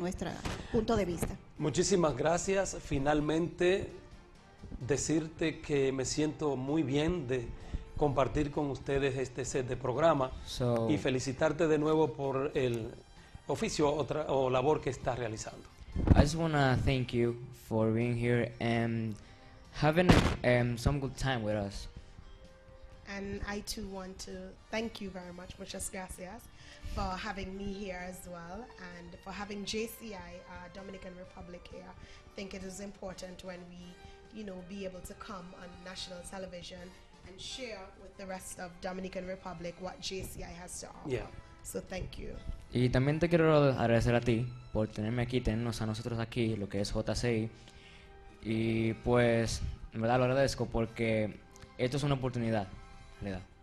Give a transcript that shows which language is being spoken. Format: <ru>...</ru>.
<es>nuestro punto de vista. Muchísimas gracias. Finalmente, decirte que me siento muy bien de compartir con ustedes este set de programa y felicitarte de nuevo por el oficio o labor que estás realizando.</es> <en>I just want to thank you for being here and having some good time with us. And I too want to thank you very much,</en> <es>muchas gracias,</es> <en>for having me here as well and for having JCI, Dominican Republic, here. I think it is important when we, you know, be able to come on national television and share with the rest of Dominican Republic what JCI has to offer. Yeah. So thank you.</en> <es>Y también te quiero agradecer a ti por tenerme aquí, tenernos a nosotros aquí, lo que es JCI. Y pues, en verdad lo agradezco porque esto es una oportunidad, en realidad.</es>